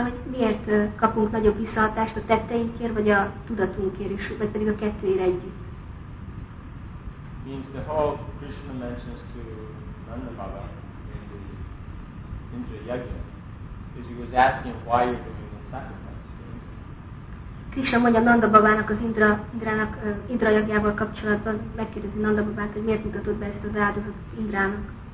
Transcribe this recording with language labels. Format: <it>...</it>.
<hu>Miért kapunk nagyobb visszahatást a tetteinkért, vagy a tudatunkért is, vagy pedig a kettőért együtt?</hu> <en>Means the whole Krishna mentions to Nanda Baba in the Indra Yajna, is he was asking why you're doing the sacrifice.</en> <hu>Krishna mondja Nanda Babának az Indra Yajnával kapcsolatban, megkérdezi Nanda Babát, hogy miért mutatod be ezt az áldozatot Indrának.</hu>